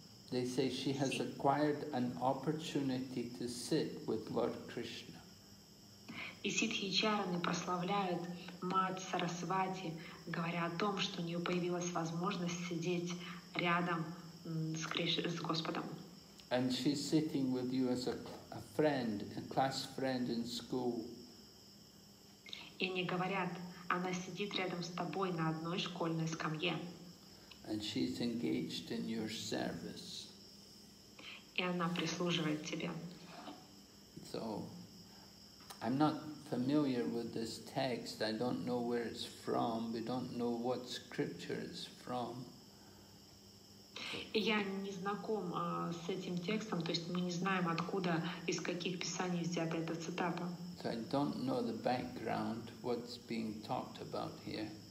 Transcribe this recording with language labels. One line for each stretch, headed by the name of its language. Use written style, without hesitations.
English: They say she has acquired an opportunity to sit with Lord Krishna.
Russian: И ситхи и чараны прославляют мать Сарасвати, говоря о том, что у нее появилась возможность сидеть рядом с Господом.
English: And she's sitting with you as a friend, a class friend in school.
Russian: И они говорят, она сидит рядом с тобой на одной школьной скамье.
English: And she's engaged in your service.
Russian: И она прислуживает тебе.
English: So, I'm not familiar with this text. I don't know where it's from. We don't know what scripture it's from.
Russian: Я не знаком с этим текстом, то есть мы не знаем, откуда, из каких писаний взята эта цитата.
English: So I don't know the background, what's being talked about here.